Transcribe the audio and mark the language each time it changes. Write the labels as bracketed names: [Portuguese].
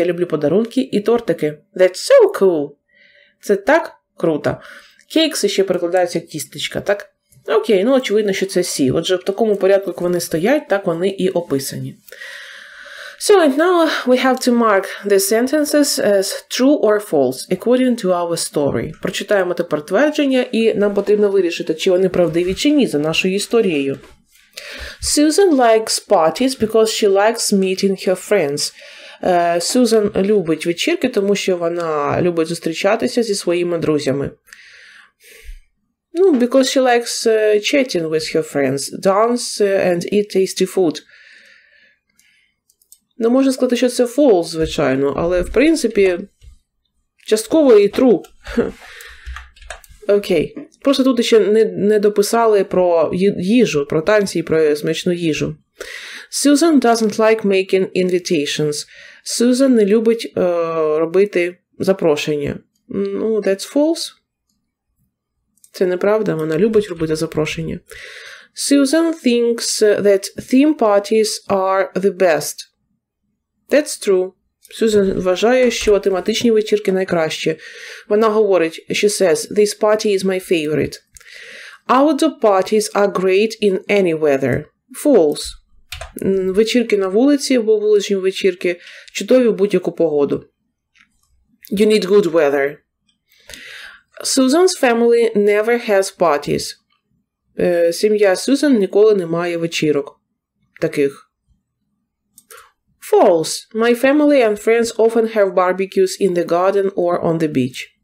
[Ukrainian] Я люблю подарунки і тортики. [English] That's so cool! [Ukrainian] Це так круто. Кейкси ще перекладаються як кістечка, так? Окей, ну очевидно, що це сі. Отже, в такому порядку, як вони стоять, так вони і описані. [English] So, and now we have to mark the sentences as true or false, according to our story. [Ukrainian] Прочитаємо тепер твердження, і нам потрібно вирішити, чи вони правдиві чи ні, за нашою історією. [English] Susan likes parties because she likes meeting her friends. [Ukrainian] Susan любить вечірки, тому що вона любить зустрічатися зі своїми друзями. [English] Ну, because she likes chatting with her friends, dance and eat tasty food. [Ukrainian] Ну, можна сказати, що це false, звичайно, але, в принципі, частково і true. Окей. Okay. Просто тут ще не дописали про їжу, про танці і про смачну їжу. [English] Susan doesn't like making invitations. [Ukrainian] Susan не любить робити запрошення. [English] Ну, that's false. [Ukrainian] Це неправда, вона любить робити запрошення. [English] Susan thinks that theme parties are the best. That's true. [Ukrainian] Susan вважає, що тематичні вечірки найкращі. Вона говорить, [English] she says, this party is my favorite. Outdoor parties are great in any weather. False. [Ukrainian] Вечірки на вулиці або вуличні вечірки чудові в будь-яку погоду. [English] You need good weather. Susan's family never has parties. [Ukrainian] Сім'я Сюзан ніколи не має вечірок таких. [English] False. My family and friends often have barbecues in the garden or on the beach.